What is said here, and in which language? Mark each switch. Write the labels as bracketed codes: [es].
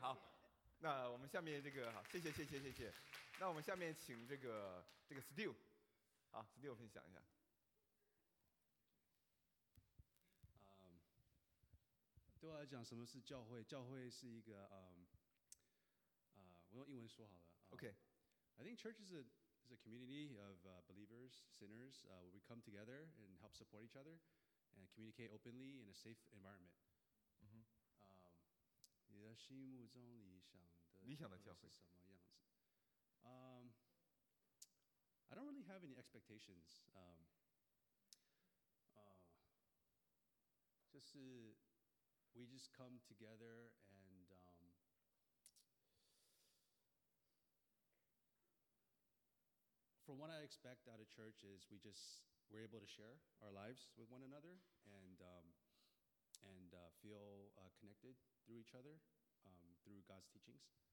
[zh] 好，那我们下面这个，好，谢谢。那我们下面请这个 Steve。好 ，Steve 分享一下。对我来讲，什么是教会？教会是一个我用英文说好了。 [en] Okay. I think church is a community of believers, sinners, where we come together and help support each other and communicate openly in a safe environment. 嗯哼。 [zh] 你的心目中理想的教会是什么样子？ [en] I don't really have any expectations. [zh] 就是 [en] we just come together and from what I expect out of church is we're able to share our lives with one another and feel connected through each other through God's teachings.